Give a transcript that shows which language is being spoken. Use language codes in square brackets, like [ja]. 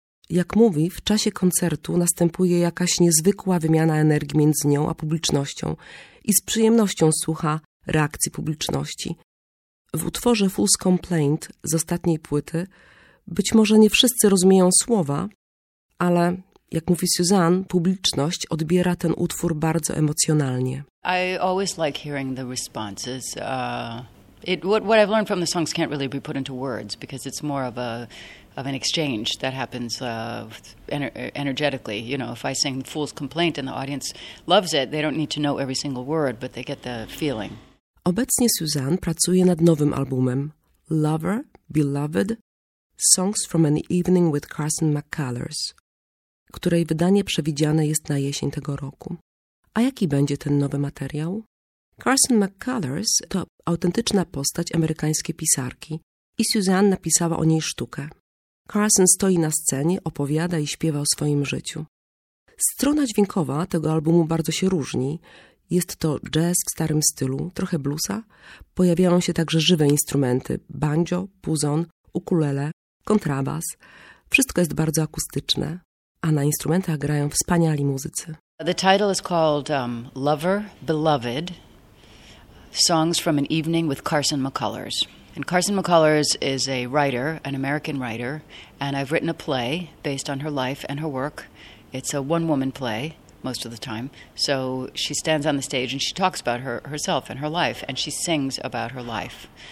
[pl] Jak mówi, w czasie koncertu następuje jakaś niezwykła wymiana energii między nią a publicznością i z przyjemnością słucha reakcji publiczności. W utworze Fool's Complaint z ostatniej płyty być może nie wszyscy rozumieją słowa, ale jak mówi Suzanne, publiczność odbiera ten utwór bardzo emocjonalnie. [en] I always like hearing the responses. What I've learned from the songs can't really be put into words because it's more of an exchange that happens energetically. You know, if I sing Fool's Complaint and the audience loves it, they don't need to know every single word, but they get the feeling. [pl] Obecnie Suzanne pracuje nad nowym albumem Lover, Beloved, Songs from an Evening with Carson McCullers, której wydanie przewidziane jest na jesień tego roku. A jaki będzie ten nowy materiał? Carson McCullers to autentyczna postać amerykańskiej pisarki i Suzanne napisała o niej sztukę. Carson stoi na scenie, opowiada i śpiewa o swoim życiu. Strona dźwiękowa tego albumu bardzo się różni. Jest to jazz w starym stylu, trochę bluesa. Pojawiają się także żywe instrumenty, banjo, puzon, ukulele, kontrabas. Wszystko jest bardzo akustyczne, a na instrumentach grają wspaniali muzycy. [en] The title is called Lover, Beloved, Songs from an Evening with Carson McCullers. And Carson McCullers is a writer, an American writer, and I've written a play based on her life and her work. It's a one-woman play most of the time. So she stands on the stage and she talks about herself and her life, and she sings about her life.